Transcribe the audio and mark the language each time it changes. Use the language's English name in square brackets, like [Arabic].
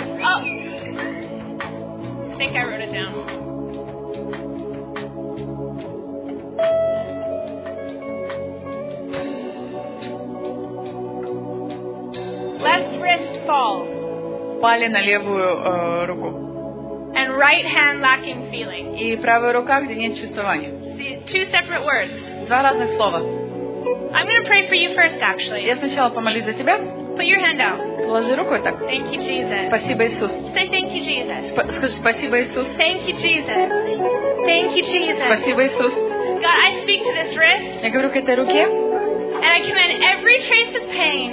[English] Oh. I think I wrote it down. Left wrist fall. [Russian] Упали на левую руку. [English] and right hand lacking feeling. [Russian] И правая рука, где нет чувствования. [English] See, two separate words. [Russian] Два разных слова. [English] I'm going to pray for you first, actually. [Russian] Я сначала помолюсь за тебя. [English] Put your hand out. [Russian] Положи руку вот так. [English] Thank you, Jesus. [Russian] Спасибо, Иисус. [English] Say thank you, Jesus. [Russian] Скажи спасибо, Иисус. [English] Thank you, Jesus. Thank you, Jesus. [Russian] Спасибо, Иисус. [English] God, I speak to this wrist. [Russian] Я говорю к этой руке. [English] And I command every trace of pain.